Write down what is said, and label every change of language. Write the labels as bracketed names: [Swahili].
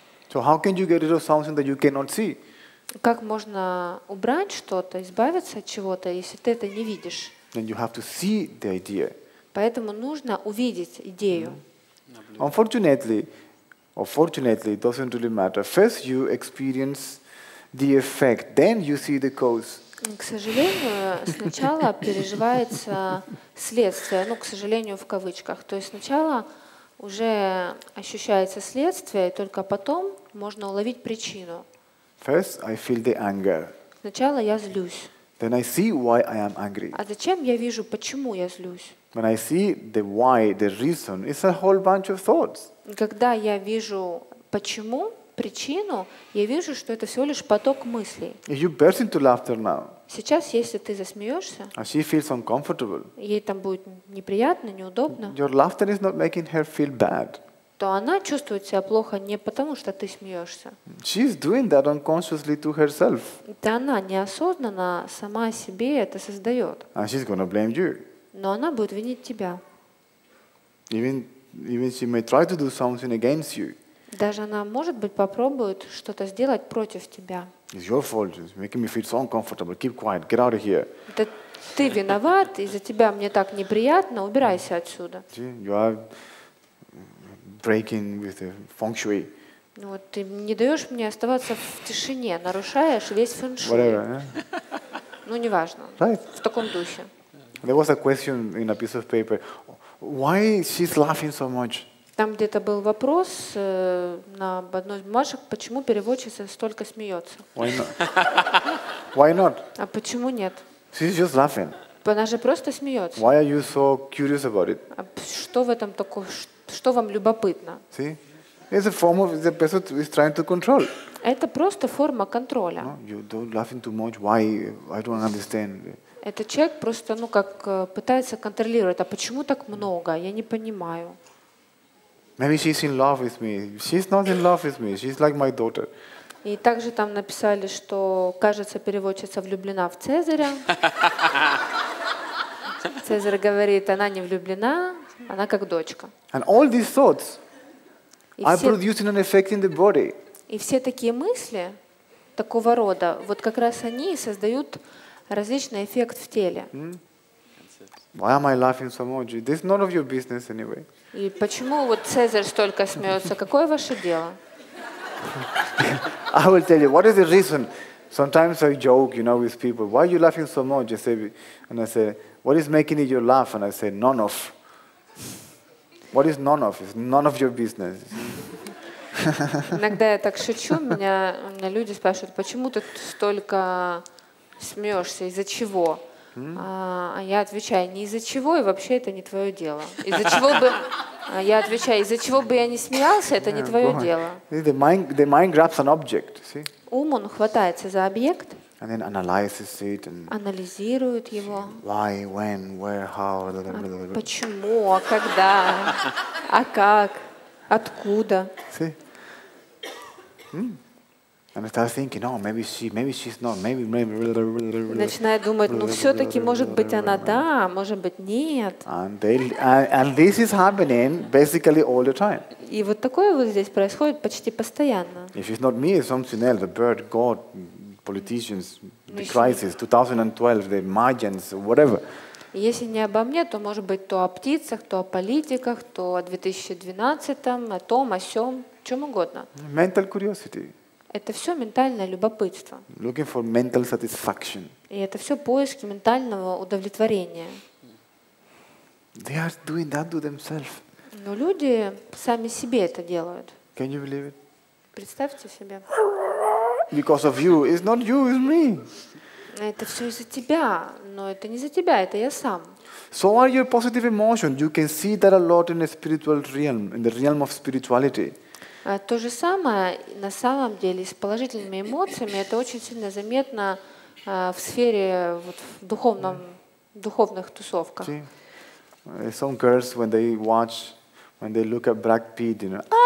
[English] So how can you get rid of something that you cannot see? [Russian] Как можно убрать что-то, избавиться от чего-то, если ты это не видишь? [English] Then you have to see the idea. [Russian] Поэтому нужно увидеть идею. [English] Mm-hmm. Unfortunately, or fortunately, it doesn't really matter. First you experience the effect, then you see the cause. [Russian] К сожалению, сначала переживается следствие, ну, к сожалению, в кавычках. То есть сначала уже ощущается следствие, и только потом можно уловить причину. [English] First, I feel the anger. [Russian] Сначала я злюсь. [English] Then I see why I am angry. [Russian] А зачем я вижу, почему я злюсь? [English] When I see the why, the reason, it's a whole bunch of thoughts. [Russian] Когда я вижу почему, причину, я вижу, что это всего лишь поток мыслей. [English] You burst into laughter now. [Russian] Сейчас, если ты засмеешься, [English] and she feels uncomfortable, [Russian] ей там будет неприятно, неудобно. [English] Your laughter is not making her feel bad. [Russian] То она чувствует себя плохо не потому, что ты смеешься. [English] She's doing that unconsciously to herself. [Russian] Это она неосознанно сама себе это создает. [English] And she's gonna blame you. [Russian] Но она будет винить тебя. [English] Even she may try to do something against you. [Russian] Даже она, может быть, попробует что-то сделать против тебя. [English] It's your fault. It's making me feel so uncomfortable. Keep quiet. Get out of here. [Russian] Это ты виноват. Из-за тебя мне так неприятно. Убирайся отсюда. [English] See, you are breaking with the feng shui. [Russian] Ну, вот ты не даешь мне оставаться в тишине. Нарушаешь весь фэншуй. [English] Whatever. Yeah? [Russian] Ну, неважно. [English] Right? [Russian] В таком духе. [English] There was a question in a piece of paper. Why she's laughing so much? [Russian] Там где-то был вопрос на одной из бумажек, почему переводчица столько смеется. [English] Why not? Why not? [Russian] А почему нет? [English] She's just laughing. [Russian] Она же просто смеется. [English] Why are you so curious about it? [Russian] А что в этом такое? Что вам любопытно? [English] See? It's a form of the person who is trying to control. [Russian] Это просто форма контроля. [English] No, you don't laughing too much. Why? I don't understand. [Russian] Этот человек просто, ну, как пытается контролировать. А почему так много? Я не понимаю. [English] Maybe she's in love with me. She's not in love with me. She's like my daughter. [Russian] И также там написали, что, кажется, переводчица влюблена в Цезаря. Цезарь говорит, она не влюблена, она как дочка. [English] And all these thoughts are producing an effect in the body. [Russian] И все такие мысли такого рода, вот как раз они создают различный эффект в теле. [English] Why am I laughing so much? This is none of your business anyway. [Russian] И почему вот Цезарь столько смеется? Какое ваше дело? [English] I will tell you. What is the reason? Sometimes I joke, you know, with people. Why are you laughing so much? I say, and I say, what is making it you laugh? And I say, none of. What is none of? It's none of your business. [Russian] Иногда я так шучу, меня люди спрашивают, почему ты столько смеешься, из-за чего? Я отвечаю, не из-за чего, и вообще это не твое дело. Из-за чего бы я отвечаю, из-за чего бы я не смеялся, это не твое дело. [English] The mind grabs an object, see? [Russian] Ум, он хватается за объект. [English] And then analyzes it and [Russian] анализирует его. [English] Why, when, where, how, [Russian] почему, а когда, а как, откуда. [English] And I start thinking, oh, maybe she's not, maybe. [Russian] Начинает думать, ну все-таки может быть она да, может быть нет. [English] And this is happening basically all the time. [Russian] И вот такое вот здесь происходит почти постоянно. [English] If it's not me, it's something else. The bird, God, politicians, the crisis, 2012, the Mayans, whatever. [Russian] Если не обо мне, то может быть то о птицах, то о политиках, то о 2012-м, о том, о сём, чем угодно. [English] Mental curiosity. [Russian] Это все ментальное любопытство. [English] Looking for mental satisfaction. [Russian] И это все поиски ментального удовлетворения. [English] They are doing that to themselves. [Russian] Но люди сами себе это делают. [English] Can you believe it? [Russian] Представьте себе. [English] Because of you, it's not you, it's me. [Russian] Это все из-за тебя, но это не за тебя, это я сам. [English] So are your positive emotions. You can see that a lot in the spiritual realm, in the realm of spirituality. [Russian] То же самое на самом деле с положительными эмоциями, это очень сильно заметно в сфере вот, в духовном, [English] yeah. [Russian] духовных тусовках. [English] See, some girls when they watch, when they look at Brad Pitt, you know.